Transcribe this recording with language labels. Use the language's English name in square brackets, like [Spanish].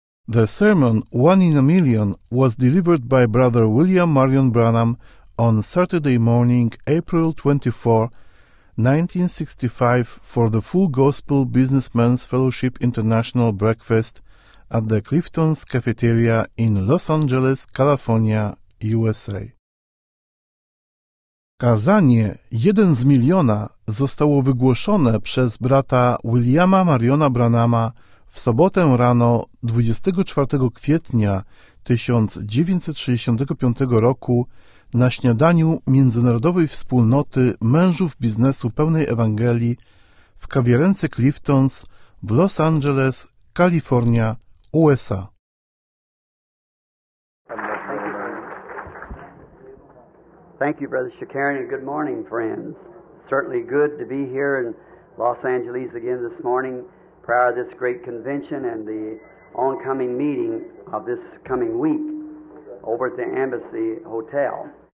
[English] The sermon, One in a Million, was delivered by Brother William Marion Branham on Saturday morning, April 24, 1965, for the Full Gospel Businessmen's Fellowship International Breakfast at the Clifton's Cafeteria in Los Angeles, California, USA. [Polish] Kazanie Jeden z Miliona zostało wygłoszone przez brata Williama Mariona Branhama w sobotę rano 24 kwietnia 1965 roku na śniadaniu Międzynarodowej Wspólnoty Mężów Biznesu Pełnej Ewangelii w kawiarence Clifton's w Los Angeles, Kalifornia, USA. [English] Thank you, Brother Shakarian, and good morning, friends. Certainly good to be here in Los Angeles again this morning prior to this great convention and the oncoming meeting of this coming week over at the Embassy Hotel.